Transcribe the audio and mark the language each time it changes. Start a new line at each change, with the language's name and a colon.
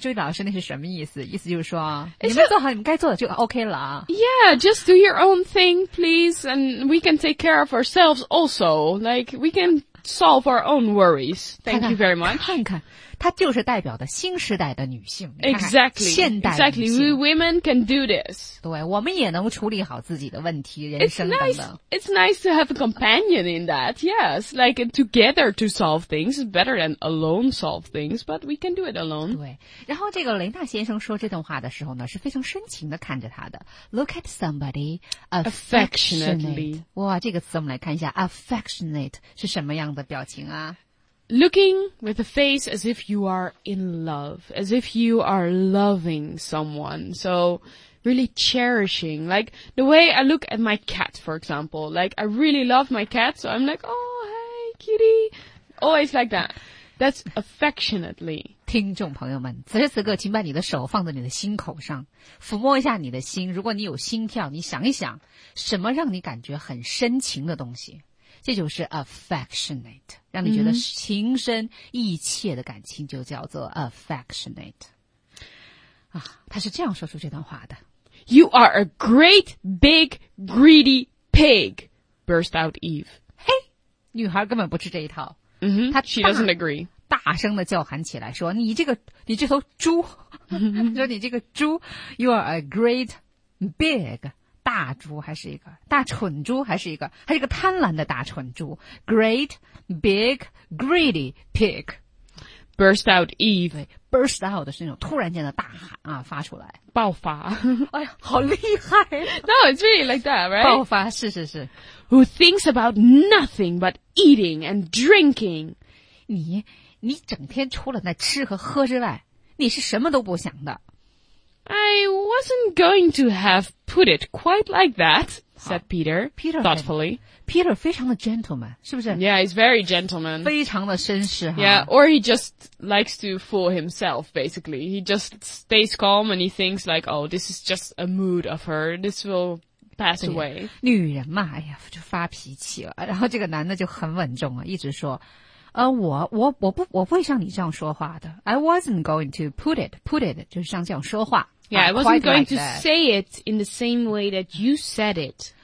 Chinese: 注意老师那是什么意思？意思就是说，你们做好你们该做的就 OK 了。
English: Yeah, just do your own thing, please, and we can take care of ourselves also. Like, we can solve our own worries. Thank you very much.
Chinese: 看看，它就是代表的新时代的女性。
English: Exactly.
Chinese: 现代女性。
English: Exactly, we women can do this.
Chinese: 对，我们也能处理好自己的问题，人生等等。
English: It's nice to have a companion in that, yes. Like, together to solve things is better than alone solve things, but we can do it alone.
Chinese: 对，然后这个雷纳先生说这段话的时候呢，是非常深情地看着他的。
English: Look at somebody affectionately.
Chinese: 哇，这个词我们来看一下 ,affectionate 是什么样的表情啊？
English: Looking with a face as if you are in love, as if you are loving someone. So, really cherishing. Like, the way I look at my cat, for example. Like, I really love my cat, so I'm like, oh, hey, kitty. Always like that. That's affectionately.
Chinese: 听众朋友们，此时此刻请把你的手放在你的心口上，抚摸一下你的心。如果你有心跳，你想一想，什么让你感觉很深情的东西？这就是 affectionate， 让你觉得情深意切的感情就叫做 affectionate。啊，他是这样说出这段话的。
English: You are a great big greedy pig, burst out Eve.
Chinese: 嘿，女孩根本不吃这一套。
English: 嗯哼 ，She doesn't agree.
Chinese: 大声的叫喊起来说，你这头猪，说你这个猪 ，
English: You are a great big.
Chinese: 大猪还是一个大蠢猪还是一个贪婪的大蠢猪
English: Great, big, greedy pig. Burst out Eve.
Chinese: Burst out 是那种突然间的大喊啊发出来。爆发。哎呀好厉害。
English: No, it's really like that, right?
Chinese: 爆发是是是。
English: Who thinks about nothing but eating and drinking.
Chinese: 你整天除了那吃和喝之外你是什么都不想的。
English: I wasn't going to have put it quite like that, said Peter thoughtfully.
Chinese: Peter 非常的 gentleman, 是不是?
English: Yeah, he's very gentleman.
Chinese: 非常的绅士,
English: yeah, or he just likes to fool himself, basically. He just stays calm and he thinks like, oh, this is just a mood of her, this will... pass away.
Chinese: 女人嘛，哎呀，就发脾气了。然后这个男的就很稳重啊，一直说，我不会像你这样说话的。
English: I wasn't going to put it
Chinese: 就是像这样说话。
English: Yeah, I wasn't going to say it in the same way that you said it.